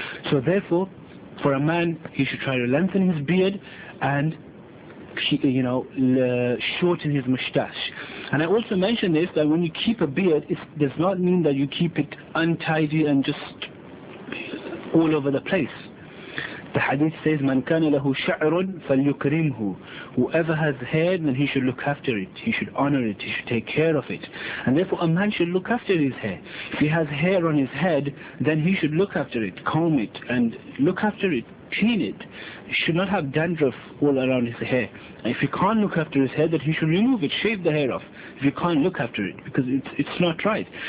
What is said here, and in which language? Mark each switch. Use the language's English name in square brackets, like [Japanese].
[English] So therefore, for a man, he should try to lengthen his beard and, you know, shorten his mustache. And I also mentioned this, that when you keep a beard, it does not mean that you keep it untidy and just all over the place. The hadith says, [Arabic] مَنْ كَانَ لَهُ شَعْرٌ فَلْيُكْرِمْهُ. [English] Whoever has hair, then he should look after it, he should honor it, he should take care of it. And therefore a man should look after his hair. If he has hair on his head, then he should look after it, comb it and look after it, clean it. He should not have dandruff all around his hair. And if he can't look after his hair, then he should remove it, shave the hair off, if he can't look after it, because it's not right.